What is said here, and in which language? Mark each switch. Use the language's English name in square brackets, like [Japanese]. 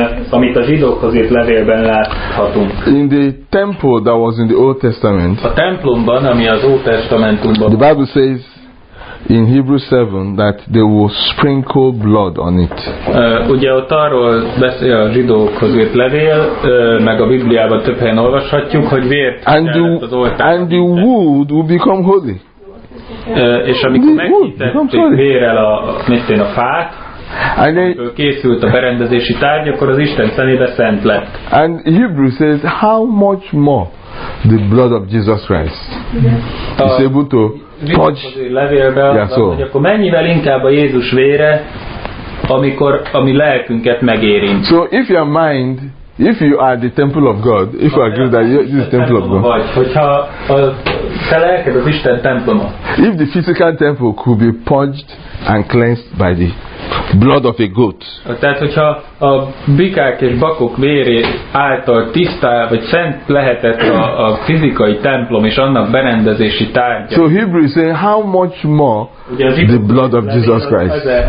[Hungarian] amit a zsidókhoz írt levélben láthatunk. [English] In the temple that was in the Old Testament, [Hungarian] a templomban, ami az Új Testamentumban, [English] the Bible says in Hebrews 7 that they will sprinkle blood on it. [Hungarian] Ugye ott arról beszél a zsidókhoz írt levél, meg a Bibliában több helyen olvashatjuk, hogy vért az oltár. [English] And the wood will become holy. [Hungarian] És amikor megkitették vérrel a fát, [English] and then [Hungarian] készült a berendezési tárgy, akkor az Isten szemébe szent lett. [English] And Hebrews says, how much more the blood of Jesus Christ is able to touch your soul. [Hungarian] Akkor mennyivel inkább a Jézus vére, amikor a mi lelkünket megérint. [English] So if your mind, if you are the temple of God, if you agree that you are the temple of God, [Hungarian] hogyha a te lelked az Isten temploma, [English] if the physical temple could be purged and cleansed by the blood of a goat, [Hungarian] tehát hogyha a bikák és bakok vére által tisztá vagy szent lehetett a fizikai templom és annak berendezési tárgya, [English] so Hebrews saying how much more the blood of Jesus Christ,